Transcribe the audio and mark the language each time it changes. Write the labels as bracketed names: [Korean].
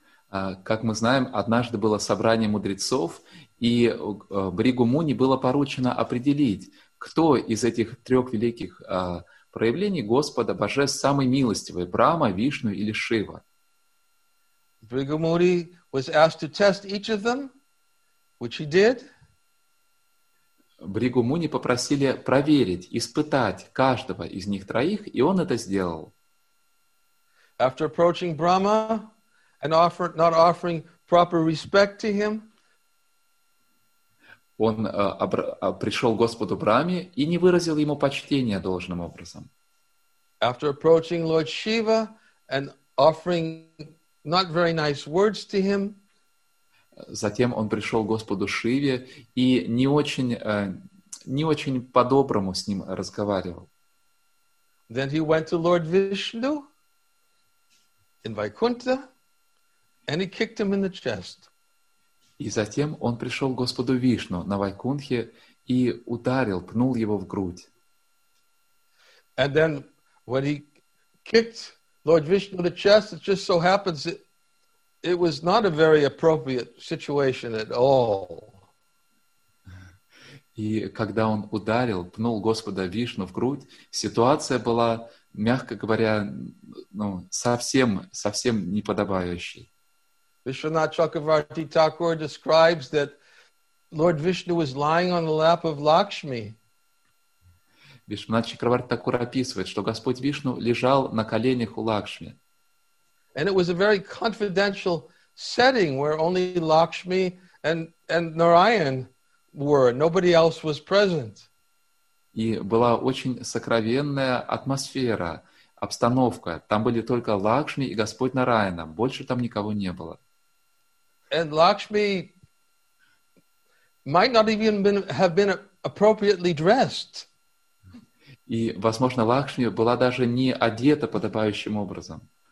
[Russian] Как мы знаем, однажды было собрание мудрецов, и Бригу Муни было поручено определить, кто из этих трех великих проявлений Господа Божеств самый милостивый — Брахма, Вишну или Шива. [English] Бригу Муни was asked to test each of them, which he did. [Russian] Бригу Муни попросили проверить, испытать каждого из них троих, и он это сделал. [English] After approaching Brahma and not offering proper respect to him, [Russian] он пришел к Господу Брахме и не выразил ему почтения должным образом. [English] After approaching Lord Shiva and offering not very nice words to him, [Russian] затем он пришел к Господу Шиве и не очень по-доброму с ним разговаривал. [English] Then he went to Lord Vishnu in Vaikuntha, and he kicked him in the chest. [Russian] И затем он пришел к Господу Вишну на Вайкунтхе и ударил, пнул его в грудь. [English] And then when he kicked Lord Vishnu in the chest, it just so happens it was not a very appropriate situation at all. [Russian] И когда он ударил, пнул Господа Вишну в грудь, ситуация была, мягко говоря, ну, совсем, совсем неподобающей. [English] Vishwanath Chakravarti Thakur describes that Lord Vishnu was lying on the lap of Lakshmi. [Russian] Вишванат Чакраварти Такур описывает, что Господь Вишну лежал на коленях у Лакшми. [English] And it was a very confidential setting where only Lakshmi and Narayan were. Nobody else was present. [Russian] И была очень сокровенная атмосфера, обстановка. Там были только Лакшми и Господь Нараяна. Больше там никого не было. [English] And Lakshmi might not even have been appropriately dressed. [Russian] И, возможно, Лакшми была даже не одета подобающим образом.